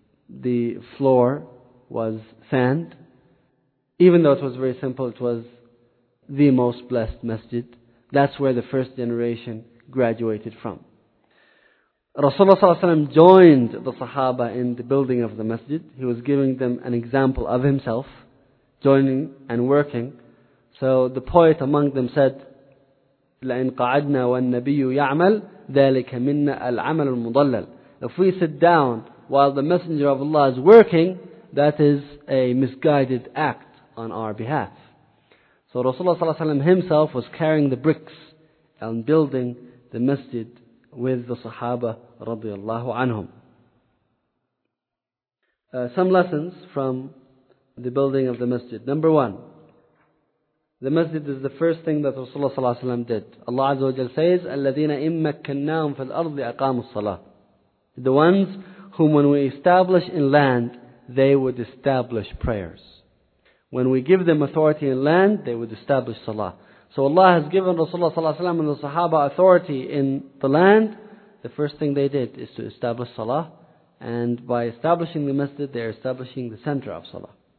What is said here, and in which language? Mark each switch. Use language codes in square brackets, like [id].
[en] The floor was sand. Even though it was very simple, it was the most blessed masjid. That's where the first generation graduated from. Rasulullah ﷺ joined the Sahaba in the building of the masjid. He was giving them an example of himself, joining and working. So the poet among them said, [ar] لَإِنْ قَعَدْنَا وَالنَّبِيُّ يَعْمَلْ ذَلِكَ مِنَّا الْعَمَلُ الْمُضَلَّلُ. [en] If we sit down while the Messenger of Allah is working, that is a misguided act on our behalf. So Rasulullah ﷺ himself was carrying the bricks and building the masjid with the Sahaba radiallahu anhum. Some lessons from the building of the masjid. Number one, the masjid is the first thing that Rasulullah ﷺ did. Allah Azza wa Jal says, [ar] الَّذِينَ إِن مَكَّنَّاهُمْ فِي الْأَرْضِ أَقَامُوا الصَّلَاةِ. [en] The ones whom when we establish in land, they would establish prayers. When we give them authority in land, they would establish salah. So Allah has given Rasulullah ﷺ and the Sahaba authority in the land. The first thing they did is to establish salah. And by establishing the masjid, they are establishing the center of salah.